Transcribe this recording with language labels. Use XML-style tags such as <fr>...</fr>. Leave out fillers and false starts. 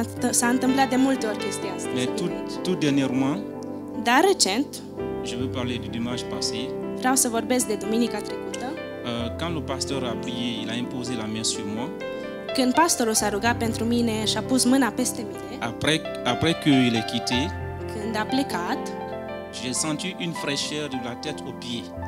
<ro>S-a întâmplat de multe ori chestia asta.</ro> <fr>Mais tout dernièrement.</fr> <ro>Dar recent.</ro> <fr>Je veux parler du dimanche passé.</fr> <ro>Vreau să vorbesc de duminica trecută.</ro> <fr>Quand le pasteur a prié, il a imposé la main sur moi.</fr> <ro>Când pastorul s-a rugat pentru mine și a pus mâna peste mine.</ro> <fr>Après que il ait quitté.</fr> <ro>Când a plecat.</ro> <fr>J'ai senti une fraîcheur de la tête aux pieds.</fr>